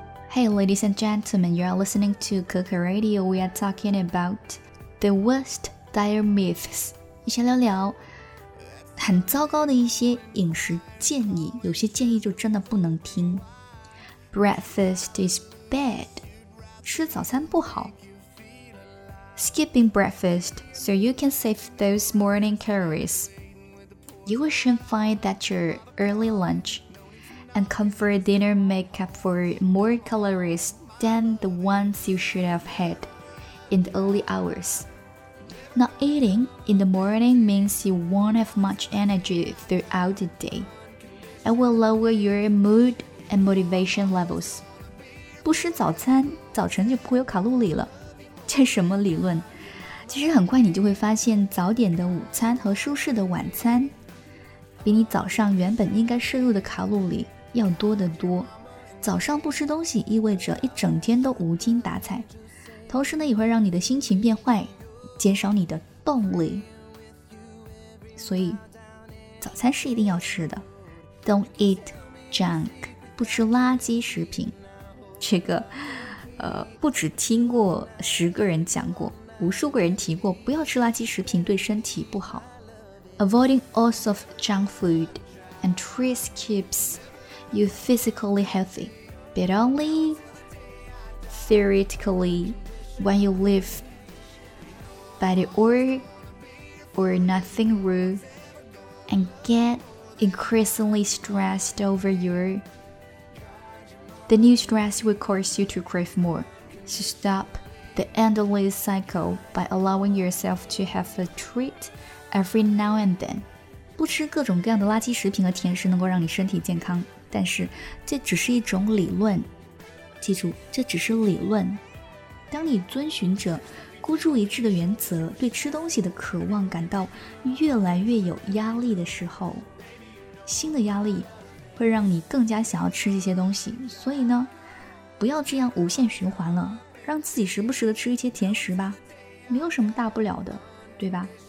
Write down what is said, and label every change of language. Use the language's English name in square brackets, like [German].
[English] Hey, ladies and gentlemen, you are listening to Keke Radio. We are talking about the worst diet myths. [Chinese] 一起聊聊很糟糕的一些饮食建议，有些建议就真的不能听。 [English] Breakfast is bad. [Chinese] 吃早餐不好。 [English] Skipping breakfast so you can save those morning calories. You should find that your early lunch and comfort dinner make up for more calories than the ones you should have had in the early hours. Not eating in the morning means you won't have much energy throughout the day. It will lower your mood and motivation levels. [Chinese] 不吃早餐，早晨就不会有卡路里了。这什么理论？其实很快你就会发现，早点的午餐和舒适的晚餐比你早上原本应该摄入的卡路里要多得多。早上不吃东西意味着一整天都无精打采，同时呢也会让你的心情变坏，减少你的动力。所以早餐是一定要吃的。 [English] Don't eat junk， [Chinese] 不吃垃圾食品。这个不只听过十个人讲过，无数个人提过，不要吃垃圾食品对身体不好。 [English] Avoiding all sorts of junk food and treats keeps you physically healthy, but only theoretically when you live by the all or nothing rule and get increasingly stressed over the new stress will cause you to crave more. So stop the endless cycle by allowing yourself to have a treat every now and then. [Chinese] 不吃各种各样的垃圾食品和甜食能够让你身体健康，但是这只是一种理论。记住，这只是理论。当你遵循着孤注一掷的原则，对吃东西的渴望感到越来越有压力的时候，新的压力会让你更加想要吃这些东西，所以呢，不要这样无限循环了，让自己时不时的吃一些甜食吧，没有什么大不了的，对吧？